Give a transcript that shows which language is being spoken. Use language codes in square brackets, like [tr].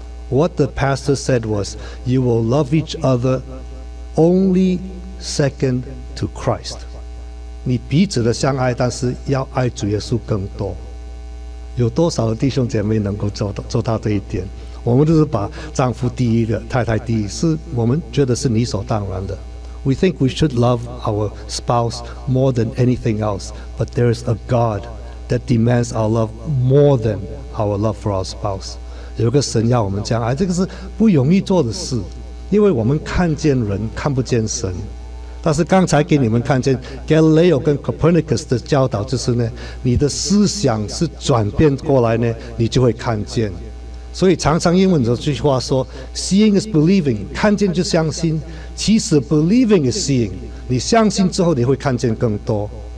[en] What the pastor said was you will love each other only second to Christ， [zh] 你彼此的相爱，但是要爱主耶稣更多。有多少弟兄姐妹能够做到这一点？我们都是把丈夫第一的，太太第一，是我们觉得是理所当然的。 [en] We think we should love our spouse more than anything else， but there is a God that demands our love more than our love for our spouse。 [zh] 有个神要我们这样爱，这个是不容易做的事，因为我们看见人看不见神。但是刚才给你们看见 Galileo 跟 Copernicus 的教导，就是呢，你的思想是转变过来呢，你就会看见。所以常常英文有句话说 [en] Seeing is believing， [zh] 看见就相信，其实 [en] believing is seeing， [zh] 你相信之后你会看见更多。